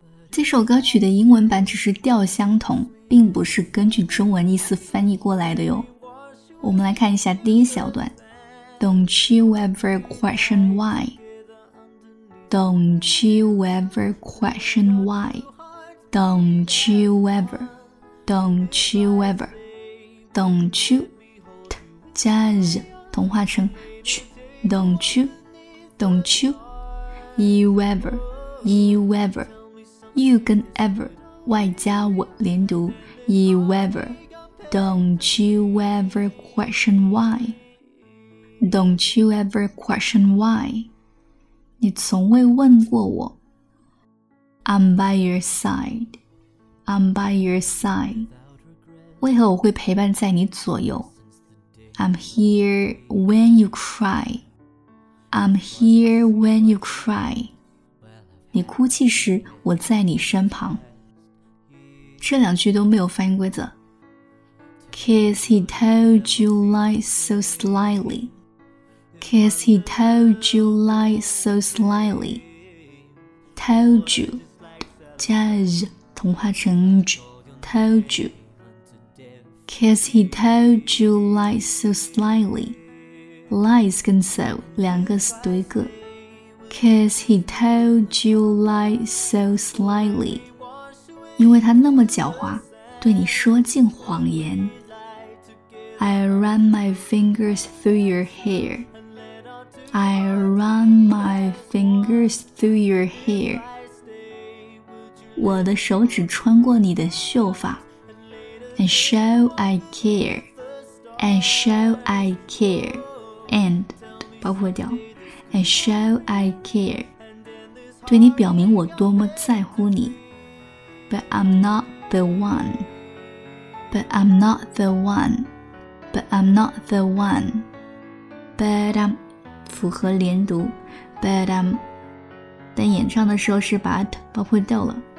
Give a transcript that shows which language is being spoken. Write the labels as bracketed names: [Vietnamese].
[Chinese] 这首歌曲的英文版只是调相同，并不是根据中文意思翻译过来的哟。我们来看一下第一小段。 [English] Don't you ever question why? Don't you ever question why? Don't you ever, don't you ever, don't you, t [Chinese] 加 z 同化成 ch, [English] don't you, don't you, you ever, you ever, you 跟 ever, [Chinese] 外加我连读 [English] you ever, don't you ever question why, don't you ever question why, [Chinese] 你从未问过我。 [English] I'm by your side, I'm by your side. [Chinese] 为何我会陪伴在你左右？ [English] I'm here when you cry, I'm here when you cry. [Chinese] 你哭泣时我在你身旁。这两句都没有发音规则。 [English] Cause he told you lies so slyly, Cause he told you lies so slyly. Told you. [Chinese] 加 z 同化成 j, [English] told you. Cause he told you lies so slyly. [Chinese] Lies 跟 so 两个是读一个。 [English] Cause he told you lies so slyly. [Chinese] 因为他那么狡猾，对你说尽谎言。 [English] I run my fingers through your hair. I run my fingers through your hair. [Chinese] 我的手指穿过你的秀发。 [English] And show I care, And show I care, And 包括掉 And show I care, [Chinese] 对你表明我多么在乎你。 [English] But I'm not the one, But I'm not the one, But I'm not the one, But I'm [Chinese] 符合连读 [English] But I'm [Chinese] 但演唱的时候是把 t 包括掉了。